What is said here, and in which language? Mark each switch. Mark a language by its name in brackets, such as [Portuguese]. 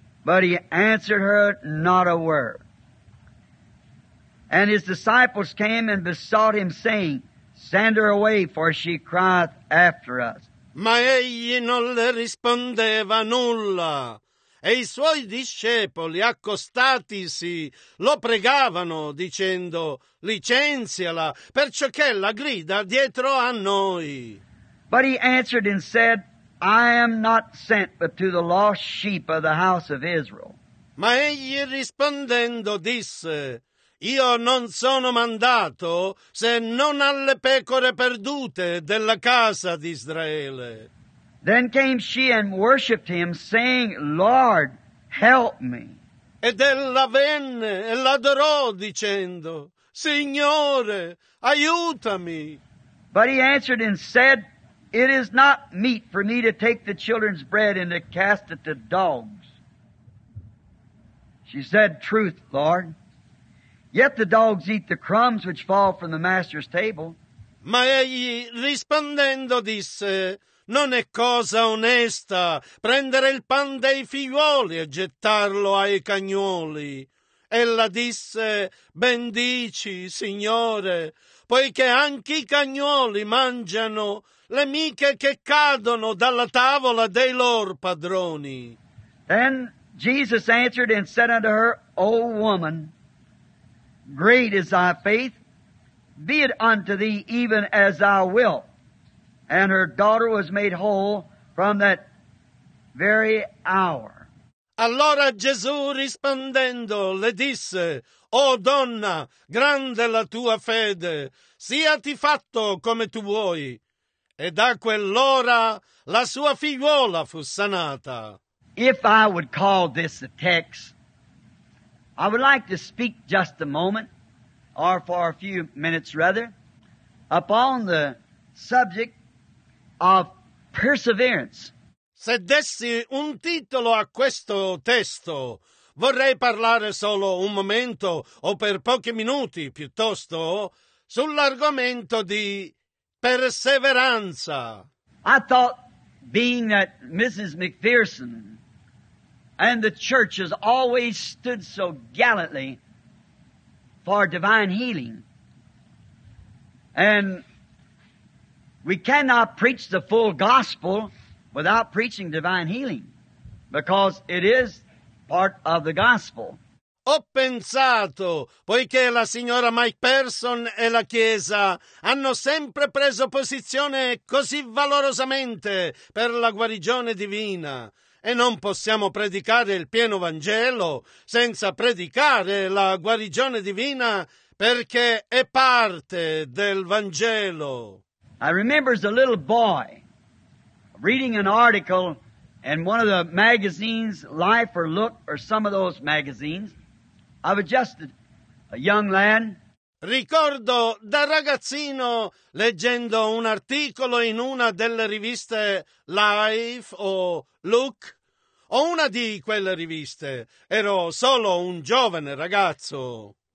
[English] But he answered her not a word. And his disciples came and besought him, saying, Send her away, for she crieth after us. [Italian] Ma egli non le rispondeva nulla, e i suoi discepoli, accostatisi, lo pregavano, dicendo, licenziala, perciò che la grida dietro a noi. [English] But he answered and said I am not sent but to the lost sheep of the house of Israel. [Italian] Ma egli rispondendo disse, io non sono mandato se non alle pecore perdute della casa di Israele. [English] Then came she and worshipped him, saying, Lord, help me. [Italian] Ed ella venne e l'adorò dicendo, Signore, aiutami. [English] But he answered and said, it is not meet for me to take the children's bread and to cast it to dogs. She said, truth, Lord. Yet the dogs eat the crumbs which fall from the master's table. [Italian] Ma egli rispondendo disse, non è cosa onesta prendere il pan dei figlioli e gettarlo ai cagnoli. Ella disse, bendici, Signore, poiché anche i cagnoli mangiano le miche che cadono dalla tavola dei loro padroni. [English] Then Jesus answered and said unto her, O woman, great is thy faith, be it unto thee even as thou wilt. And her daughter was made whole from that very hour. [Italian] Allora Gesù rispondendo le disse, O donna, grande la tua fede, siati fatto come tu vuoi. E da quell'ora la sua figliuola fu sanata. [English] If I would call this a text, I would like to speak just a moment, or for a few minutes rather, upon the subject of perseverance. [Italian] Se dessi un titolo a questo testo, vorrei parlare solo un momento o per pochi minuti piuttosto sull'argomento di perseveranza. [English] I thought, being that Mrs. McPherson and the church has always stood so gallantly for divine healing, and we cannot preach the full gospel without preaching divine healing, because it is part of the gospel. [Italian] Ho pensato, poiché la signora McPherson e la Chiesa hanno sempre preso posizione così valorosamente per la guarigione divina, e non possiamo predicare il pieno Vangelo senza predicare la guarigione divina, perché è parte del Vangelo. [English] I remember as a little boy reading an article in one of the magazines, Life or Look, or some of those magazines. I was just a young lad. [Italian] Ricordo da ragazzino leggendo un articolo in una delle riviste Life o Look, o una di quelle riviste. Ero solo un giovane ragazzo.